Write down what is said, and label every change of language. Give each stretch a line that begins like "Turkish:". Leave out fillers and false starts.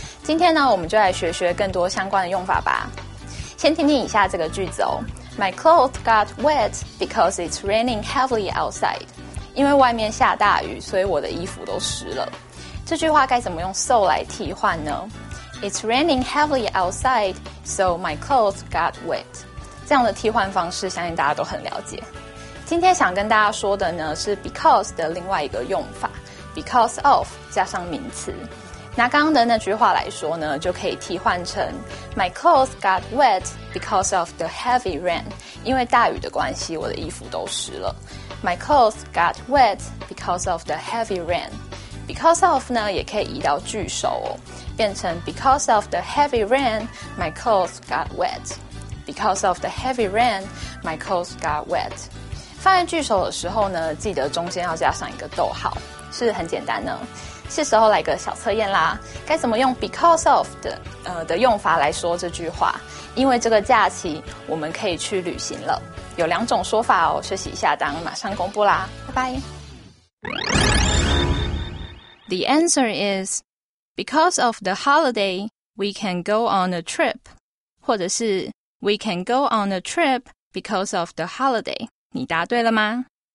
Chinese: 今天呢，我们就来学学更多相关的用法吧。先听听以下这个句子哦 ：
English: My clothes got wet because it's raining heavily outside.
Chinese: 因为外面下大雨，所以我的衣服都湿了。这句话该怎么用 so 来替换呢？
English: It's raining heavily outside, so my clothes got wet.
Chinese: 这样的替换方式相信大家都很了解。今天想跟大家说的呢是 because 的另外一个用法 ,because of 加上名词。拿刚刚的那句话来说呢就可以替换成
English: my clothes got wet because of the heavy rain,
Chinese: 因为大雨的关系我的衣服都湿了。
English: My clothes got wet because of the heavy rain. Because of 呢也可以移到句首哦，变成 Because of the heavy rain, my clothes got wet. Because of the heavy rain, my clothes got wet.
Chinese: 放在句首的时候呢，记得中间要加上一个逗号，是很简单呢。是时候来个小测验啦，该怎么用 Because of 的用法来说这句话？因为这个假期我们可以去旅行了，有两种说法哦，学习一下，当马上公布啦，拜拜。
English: The answer is, because of the holiday, we can go on a trip.
Chinese: 或者是
English: we can go on a trip because of the holiday.
Chinese: 你答对了吗？